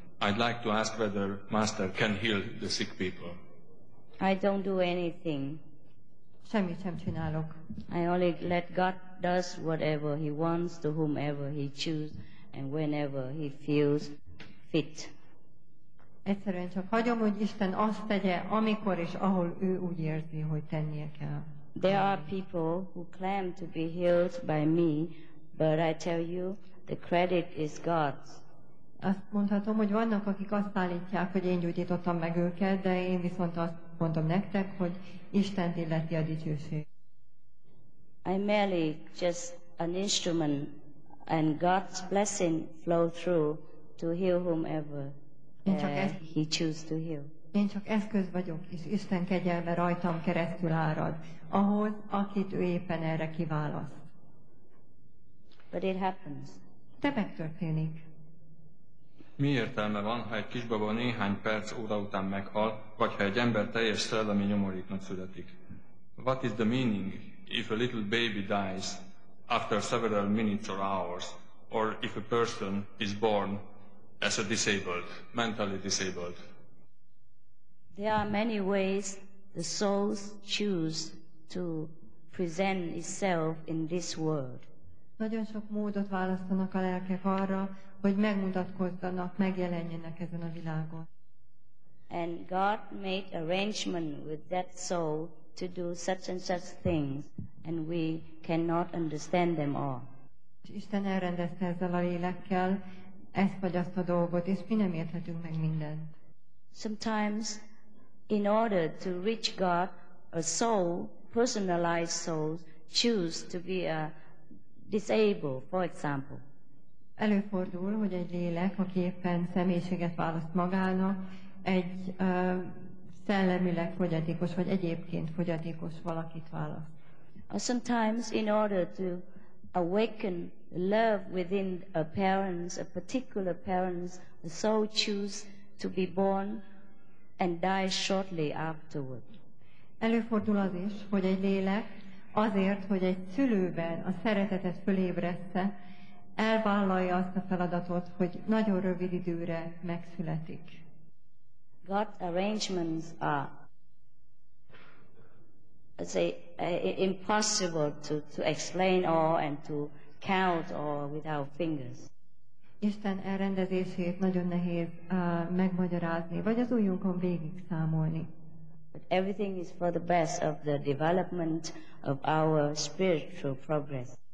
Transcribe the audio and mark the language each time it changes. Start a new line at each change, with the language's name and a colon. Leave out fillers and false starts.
English: I'd like to ask whether master can heal the sick people. I don't do anything.
Hungarian: Semmit sem csinálok.
English: I only let God does whatever He wants to whomever He chooses and whenever He feels fit.
Hungarian: Egyszerűen csak hagyom, hogy Isten azt tegye, amikor és ahol ő úgy érzi, hogy tennie kell.
English: There are people who claim to be healed by me, but I tell you, the credit is God's.
Hungarian: Azt mondhatom, hogy vannak, akik azt állítják, hogy én gyógyítottam meg őket, de én viszont azt mondom nektek, hogy Isten illeti a dicsőség.
English: I'm merely just an instrument, and God's blessing flow through to heal whomever He chooses to heal.
Hungarian: Én csak eszköz vagyok, és Isten kegyelme rajtam keresztül árad, ahhoz, akit ő éppen erre kiválaszt.
English: But it happens.
Hungarian: De megtörténik. Mi értelme van, ha egy kisbaba néhány perc óra után meghal, vagy ha egy ember teljes szellemi nyomoréknak születik?
English: What is the meaning if a little baby dies after several minutes or hours, or if a person is born as a disabled, mentally disabled? There are many ways the souls choose to present itself in this world.
Hungarian: Nagyon sok módot választanak a lelkek arra, hogy megmutatkozzanak, megjelenjenek ezen a világon.
English: And God made arrangement with that soul to do such and such things, and we cannot understand them all.
Hungarian: Isten elrendezte ezzel a lélekkel ezt vagy azt a dolgot, és mi nem érthetünk meg mindent.
English: Sometimes, in order to reach God, a soul, personalized soul, choose to be a disabled, for example.
Hungarian: Előfordul, hogy egy lélek, aki éppen személyiséget választ magának, egy szellemileg fogyatékos, vagy egyébként fogyatékos valakit választ.
English: Sometimes, in order to awaken love within a parent's, a particular parent's, the soul choose to be born and die shortly afterward.
Hungarian: Előfordul az is, hogy egy lélek azért, hogy egy szülőben a szeretetet fölébressze, elvállalja azt a feladatot, hogy nagyon rövid időre megszületik.
English: God's arrangements are, let's say, impossible to explain all and to count all with our fingers.
Hungarian: Isten elrendezését nagyon nehéz megmagyarázni, vagy az ujjunkon végig számolni.
English: But everything is for the best of the development of our spiritual progress.